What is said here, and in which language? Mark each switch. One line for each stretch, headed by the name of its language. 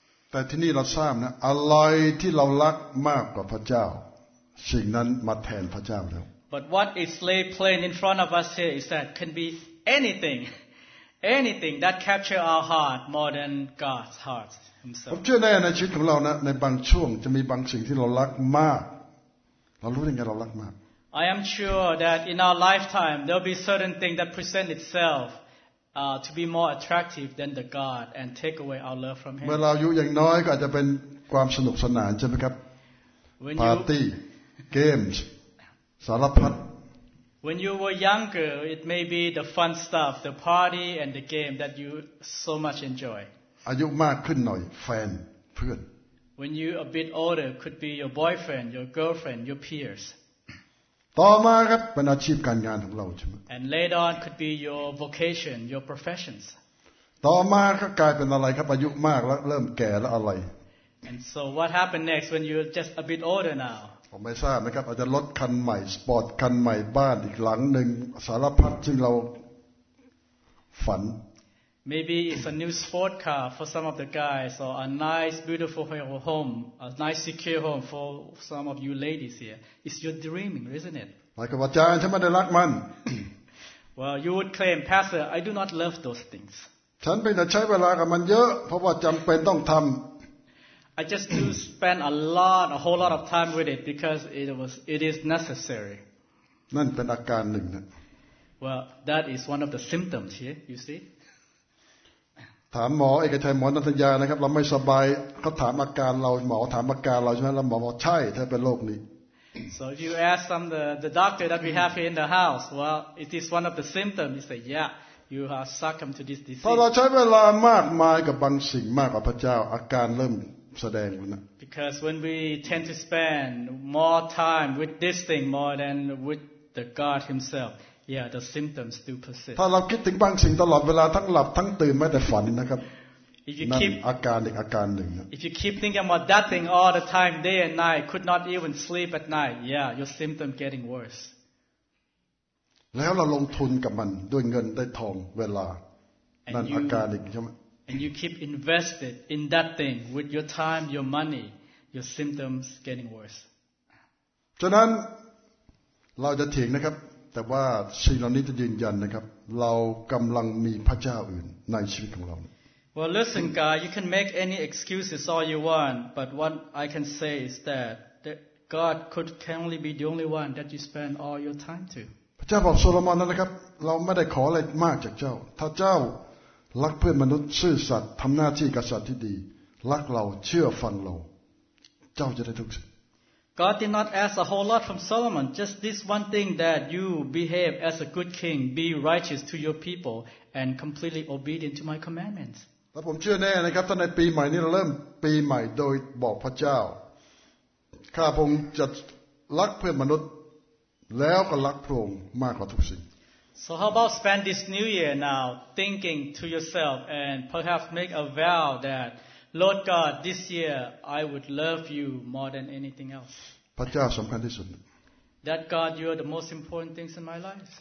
Thai: แต่ที่นี่เราทราบนะอะไรที่เรารักมากกว่าพระเจ้าสิ่งนั้นมาแทนพระเจ้าแล้ว
English: But what is laid plain in front of us here is that can be anything that capture our heart more than God's heart himself.
Thai: ผมเชื่อแน่ในชีวิตของเรานะในบางช่วงจะมีบางสิ่งที่เรารักมากเรารู้ได้ไงเรารักมาก
English: I am sure that in our lifetime there'll be certain things that present itself to be more attractive than the God and take away our love from Him.
Thai: เมื่อเราอายุยังน้อยก็อาจจะเป็นความสนุกสนานใช่ไหมครับ
English: Party, games,
Thai: สารพัด
English: When you were younger, it may be the fun stuff, the party and the game that you so much enjoy.
Thai: อายุมากขึ้นหน่อยแฟนเพื่อน
English: When you a bit older, could be your boyfriend, your girlfriend, your peers.
Thai: ต่อมาครับเป็นอาชีพการงานของเราใช่ไหม
English: And later on, could be your vocation, your professions.
Thai: ต่อมาก็กลายเป็นอะไรครับอายุมากแล้วเริ่มแก่แล้วอะไร
English: And so what happened next when you're just a bit older now?
Thai: ผมไม่ทราบนะครับอาจจะรถคันใหม่สปอร์ตคันใหม่บ้านอีกหลังหนึ่งสารพัดซึ่งเราฝัน
English: Maybe it's a new sports car for some of the guys or a nice beautiful home a nice secure home for some of you ladies here It's your dreaming isn't it
Thai: หมายความว่าอาจารย์ฉันไม่ได้รักมัน
English: Well you would claim pastor I do not love those things
Thai: ฉันเป็นแต่ใช้เวลากับมันเยอะเพราะว่าจำเป็นต้องทำ
English: I just do spend a lot, a whole lot of time with it because it is necessary.
Thai: นั่นเป็นอาการหนึ่งนะ
English: Well, that is one of the symptoms here. You see.
Thai: ถามหมอเอกชัยหมอนันทยานะครับเราไม่สบายเขาถามอาการเราหมอถามอาการเราใช่ไหมเราหมอบอกใช่เธอเป็นโรคนี้
English: So if you ask some the doctor that we have here in the house, well, it is one of the symptoms. You say, yeah. You are succumbed to this disease.
Thai: เราใช้เวลามากมายกับบางสิ่งมากกว่าพระเจ้าอาการเริ่มแสดงแล้วนะ
English: Because when we tend to spend more time with this thing more than with the God Himself, yeah, the symptoms do persist.
Thai: ถ้าเราคิดถึงบางสิ่งตลอดเวลาทั้งหลับทั้งตื่นแม้แต่ฝันนะครับ นั่นอาการอีกอาการหนึ่งนะ
English: If you keep thinking about that thing all the time, day and night, could not even sleep at night, yeah, your symptom getting worse.
Thai: แล้วเราลงทุนกับมันด้วยเงินได้ทองเวลานั่นอาการอีกใช่ไหม
English: And you keep invested in that thing with your time, your money, your symptoms getting worse.
Thai: ฉะนั้นเราจะเถียงนะครับแต่ว่าสิ่งเหล่านี้จะยืนยันนะครับเรากำลังมีพระเจ้าอื่นในชีวิตของเรา
English: Well, listen, guy. You can make any excuses all you want, but what I can say is that God could only be the only one that you spend all your time to.
Thai: พระเจ้าบอกโซโลมอนนะครับเราไม่ได้ขออะไรมากจากเจ้าถ้าเจ้ารักเพื่อนมนุษย์ซื่อสัตย์ทำหน้าที่กษัตริย์ที่ดีรักเราเชื่อฟังเราเจ้าจะได้ทุกสิ่ง
English: God did not ask a whole lot from Solomon just this one thing that you behave as a good king be righteous to your people and completely obedient to my commandments
Thai: แล้วผมเชื่อแน่นะครับตั้งแต่ปีใหม่นี้เราเริ่มปีใหม่โดยบอกพระเจ้าข้าพงศ์จะรักเพื่อนมนุษย์แล้วก็รักพระองค์มากกว่าทุกสิ่ง
English: So how about spend this new year now thinking to yourself and perhaps make a vow that Lord God this year I would love you more than anything else
Thai: พระเจ้าสำคัญที่สุด
English: That God you are the most important things in my life